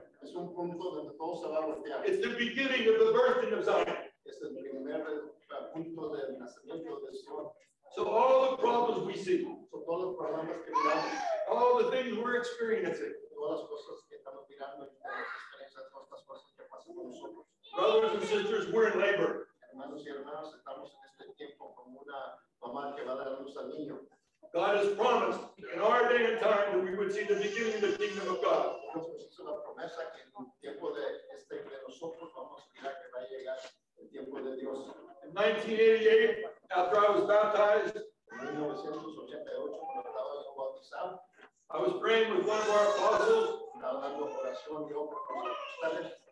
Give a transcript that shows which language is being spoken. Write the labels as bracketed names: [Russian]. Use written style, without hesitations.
[Spanish] Es un punto donde todo se va a voltear. [English] It's the beginning of the birthing of Zion. [Spanish] Es el primer punto del nacimiento de Zion. [English] So all the problems we see, [Spanish] so todos los problemas que miramos, [English] all the things we're experiencing, [Spanish] todas las cosas que estamos mirando, todas las experiencias, todas las cosas que pasan con nosotros. [English] Brothers and sisters, we're in labor. [Spanish] Hermanos y hermanas, estamos en este tiempo como una mamá que va a dar a luz al niño. [English] God has promised in our day and time that we would see the beginning of the kingdom of God. In 1988, after I was baptized, I was praying with one of our apostles.